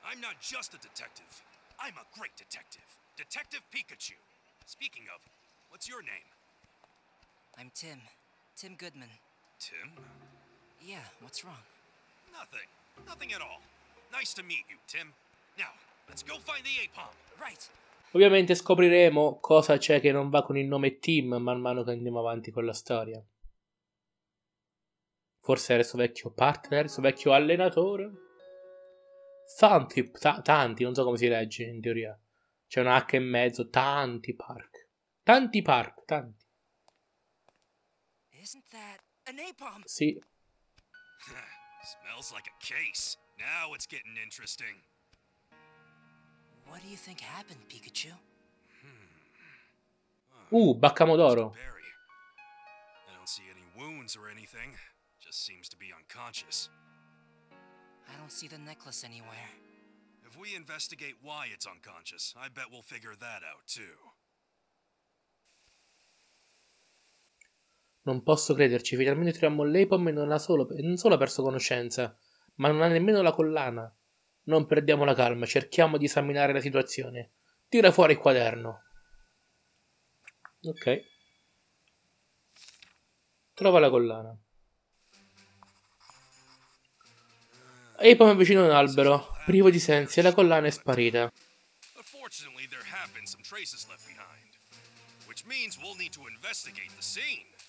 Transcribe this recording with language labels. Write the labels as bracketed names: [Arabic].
[English] I'm not just a detective. I'm a great detective. Detective Pikachu. Speaking of, what's your name? I'm Tim. Tim Goodman. Tim? Yeah, what's wrong? Nothing. Nothing at all. Nice to meet you, Tim. Now, let's go find the Apom. [Italian] Ovviamente scopriremo cosa c'è che non va con il nome Tim man mano che andiamo avanti con la storia. Forse era il suo vecchio partner, il suo vecchio allenatore. Tanti, tanti, non so come si legge in teoria. C'è una H e mezzo, tanti park. Tanti park, tanti. [English] Isn't that an napalm? [Italian] Sì. [English] Smells like a case. Now it's getting interesting. What do you think happened, Pikachu? Baccamodoro. I don't see any wounds or anything. Just seems to be unconscious. I don't see the necklace anywhere. If we investigate why it's unconscious, I bet we'll figure that out too. [Italian] Non posso crederci, finalmente troviamo l'Apom e non solo ha perso conoscenza, ma non ha nemmeno la collana. Non perdiamo la calma, cerchiamo di esaminare la situazione. Tira fuori il quaderno. Ok. Trova la collana. Apom è vicino a un albero, privo di sensi, e la collana è sparita. [English] Fortunately, there have been some traces left behind, which means we'll need to investigate the scene.